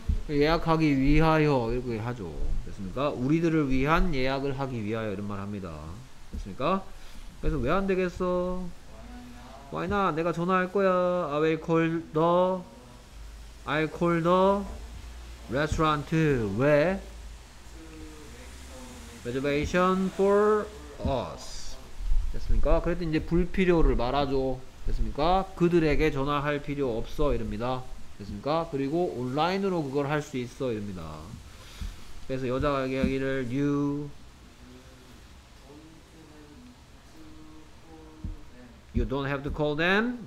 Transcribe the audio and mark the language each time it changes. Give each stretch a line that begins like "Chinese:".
Korean: 예약하기 위하여 이렇게 하죠. 됐습니까? 우리들을 위한 예약을 하기 위하여 이런 말 합니다. 됐습니까? 그래서 왜 안 되겠어?
English: Why not?
Korean: 내가 전화할 거야.
English: I will call the restaurant to reservation for us.
Korean: 됐습니까? 그랬더니 이제 불필요를 말하죠. 됐습니까? 그들에게 전화할 필요 없어 이릅니다. 됐습니까? 그리고 온라인으로 그걸 할 수 있어 이릅니다. 그래서 여자가 얘기하기를
English: you you don't have to call them.